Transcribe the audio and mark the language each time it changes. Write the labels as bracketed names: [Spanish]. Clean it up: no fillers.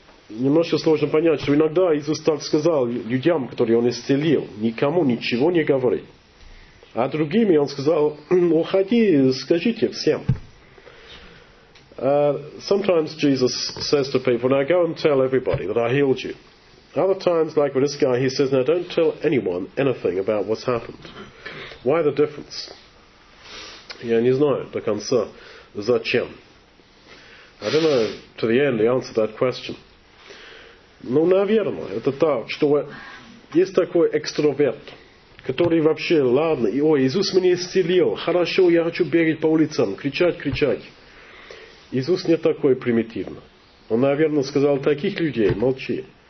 [Russian] Немножко сложно понять, что иногда Иисус так сказал людям, которые он исцелил, никому ничего не говори. А другими он сказал, уходи, скажите всем. [English] Sometimes Jesus says to people, now go and tell everybody that I healed you. Other times, like with this guy, he says, now don't tell anyone anything about what's happened. Why the difference? [Russian] Я не знаю до конца, зачем. [English] I don't know to the end the answer to that question. [Russian] Ну, наверное, это так, что есть такой экстраверт, который вообще, ладно, ой, Иисус меня исцелил, хорошо, я хочу бегать по улицам, кричать, кричать. Иисус не такой примитивный. Он, наверное, сказал, таких людей, молчи.